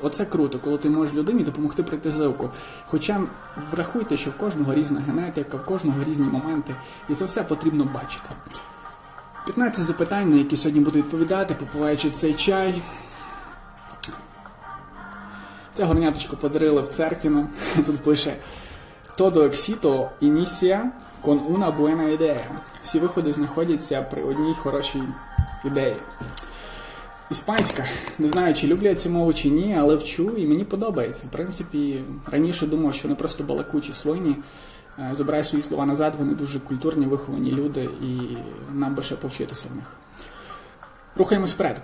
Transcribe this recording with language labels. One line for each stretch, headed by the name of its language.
Ukrainian: Оце круто, коли ти можеш людині допомогти пройти за руку. Хоча врахуйте, що в кожного різна генетика, в кожного різні моменти, і це все потрібно бачити. 15 запитань, на які сьогодні буду відповідати, попиваючи цей чай. Це горняточко подарили в церкві нам. Тут пише
Spanish: «Todo éxito inicia con una buena idea».
Ukrainian: Всі виходи знаходяться при одній хорошій ідеї. Іспанська. Не знаю, чи люблю я цю мову, чи ні, але вчу, і мені подобається. В принципі, раніше думав, що вони просто балакучі свині. Забираю свої слова назад, вони дуже культурні, виховані люди, і нам би ще повчитися в них. Рухаємось вперед.